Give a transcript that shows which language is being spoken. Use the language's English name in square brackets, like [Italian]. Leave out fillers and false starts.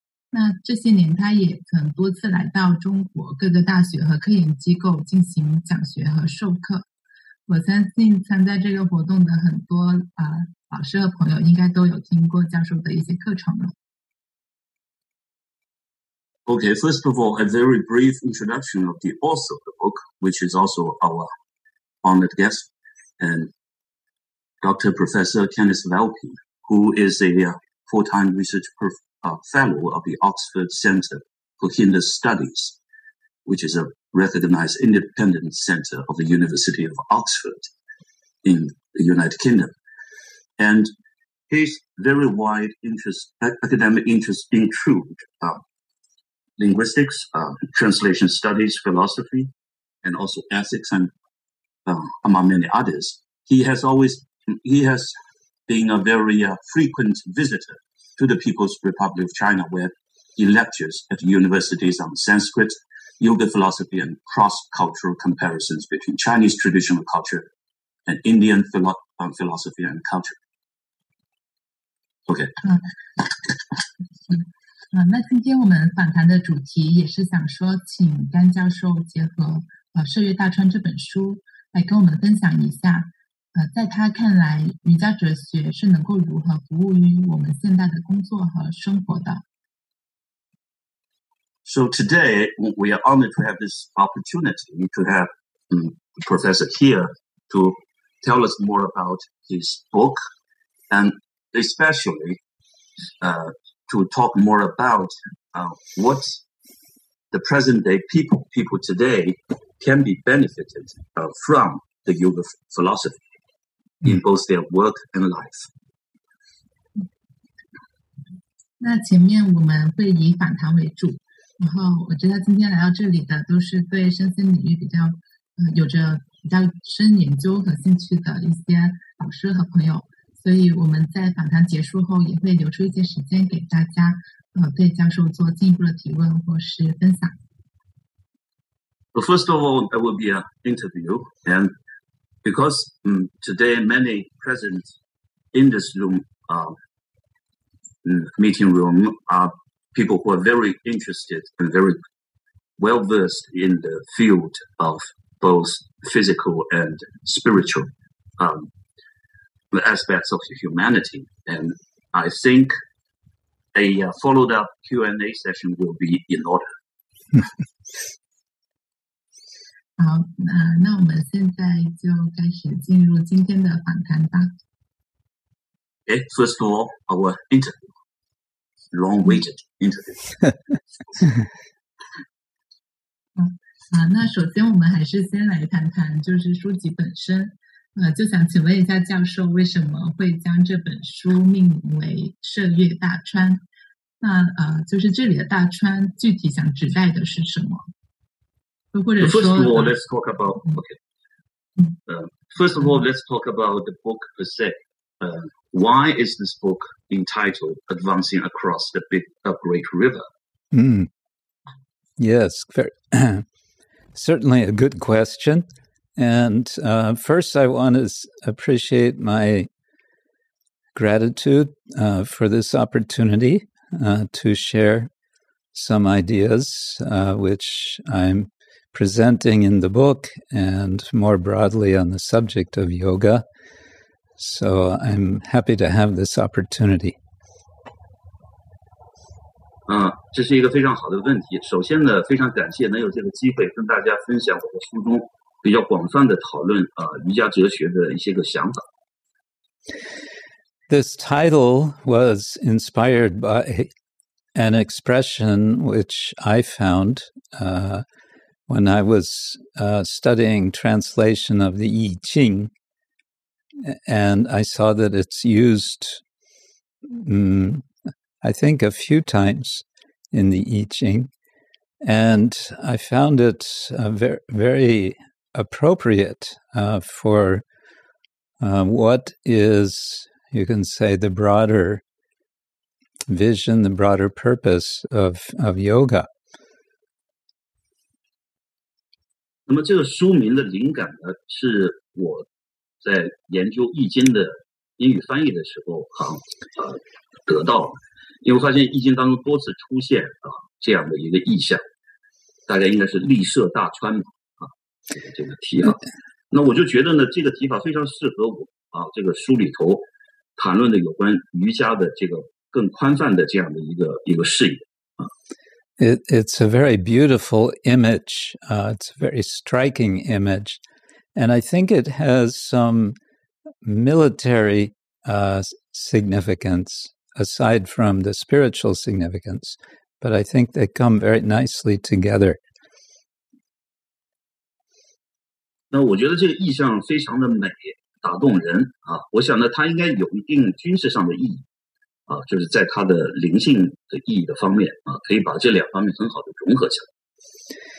[Chinese] 那这些年他也曾多次来到中国各个大学和科研机构进行讲学和授课。我相信参加这个活动的很多老师和朋友应该都有听过教授的一些课程了。 [English] Okay, first of all, a very brief introduction of the author of the book, which is also our honored guest, and Dr. Professor Kenneth Valpy, who is a full-time research fellow of the Oxford Center for Hindu Studies, which is a recognized independent center of the University of Oxford in the United Kingdom. And his very wide academic interests include linguistics, translation studies, philosophy, and also ethics, and among many others. He has been a very frequent visitor to the People's Republic of China, where he lectures at universities on Sanskrit, yoga philosophy, and cross-cultural comparisons between Chinese traditional culture and Indian philosophy and culture. Okay. [Chinese] 那今天我们访谈的主题也是想说，请甘教授结合《涉月大川》这本书来跟我们分享一下，在他看来，瑜伽哲学是能够如何服务于我们现代的工作和生活的。 [English] So today we are honored to have this opportunity to have the professor here to tell us more about his book, and especially to talk more about what the present-day people today can be benefited from the yoga philosophy in both their work and life. [Chinese] 那前面我们会以访谈为主，然后我觉得今天来到这里的都是对身心领域比较有着比较深研究和兴趣的一些老师和朋友。所以我们在访谈结束后也会留出一些时间给大家对教授做进一步的提问或是分享。 [English] Well, first of all, there will be an interview, and because today many present in this room, meeting room, are people who are very interested and very well-versed in the field of both physical and spiritual the aspects of humanity, and I think a followed-up Q&A session will be in order. [Chinese] 好，那我们现在就开始进入今天的访谈吧。 [English] Okay, first of all, our interview, long-awaited interview. [Chinese] 那首先我们还是先来谈谈就是书籍本身。就想请问一下教授，为什么会将这本书命名为《涉月大川》？那就是这里的大川具体想指代的是什么？或者说 [English] ，First of all, let's talk about okay. First of all, let's talk about the book per se. Why is this book entitled "Advancing Across the Big Great River"? Yes, certainly a good question, And first, I want to appreciate my gratitude for this opportunity to share some ideas, which I'm presenting in the book and more broadly on the subject of yoga. So I'm happy to have this opportunity. [Chinese] 这是一个非常好的问题。首先呢，非常感谢能有这个机会跟大家分享我的书中比较广泛的讨论瑜伽哲学的一些个想法。 [English] This title was inspired by an expression which I found when I was studying translation of the I Ching, and I saw that it's used, I think, a few times in the I Ching, and I found it very appropriate for what is, you can say, the broader vision, the broader purpose of yoga. [Chinese] 那么这个书名的灵感呢，是我在研究《易经》的英语翻译的时候啊，得到了，因为发现《易经》当中多次出现啊这样的一个意象，大家应该是“立涉大川”嘛啊，这个提法。那我就觉得呢，这个提法非常适合我啊，这个书里头谈论的有关瑜伽的这个更宽泛的这样的一个视野。 [English] It's a very beautiful image. It's a very striking image. And I think it has some military significance, aside from the spiritual significance. But I think they come very nicely together. [Chinese] 那我觉得这个意象非常的美，打动人啊！我想呢，它应该有一定军事上的意义。就是在它的灵性的意义的方面啊，可以把这两方面很好的融合起来。